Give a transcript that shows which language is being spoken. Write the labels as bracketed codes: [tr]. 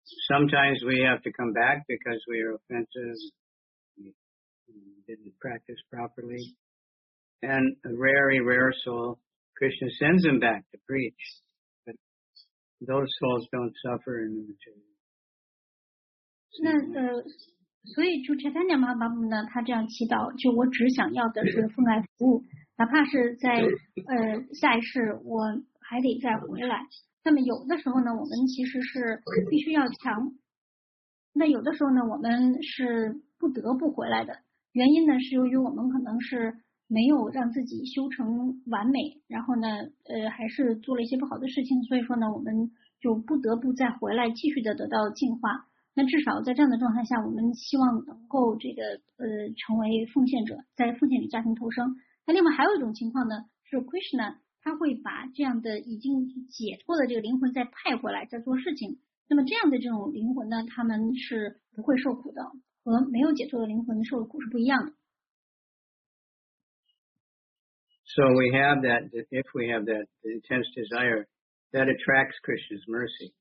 [en] Sometimes we have to come back because we are offensive, we didn't practice properly. And a very rare soul, Krishna sends him back to preach. But those souls don't suffer in the material. No. [zh] 所以就查丹尼玛巴姆呢，他这样祈祷，就我只想要的是奉爱服务，哪怕是在下一世我还得再回来。那么有的时候呢，我们其实是必须要强，那有的时候呢，我们是不得不回来的。原因呢，是由于我们可能是没有让自己修成完美，然后呢还是做了一些不好的事情，所以说呢，我们就不得不再回来继续的得到净化。那至少在这样的状态下，我们希望能够这个成为奉献者，在奉献者家庭投生。那另外还有一种情况呢，是 Krishna 他会把这样的已经解脱的这个灵魂再派回来再做事情。那么这样的这种灵魂呢，他们是不会受苦的，和没有解脱的灵魂受的苦是不一样的。 [en] So we have that, if we have that intense desire, that attracts Krishna's mercy.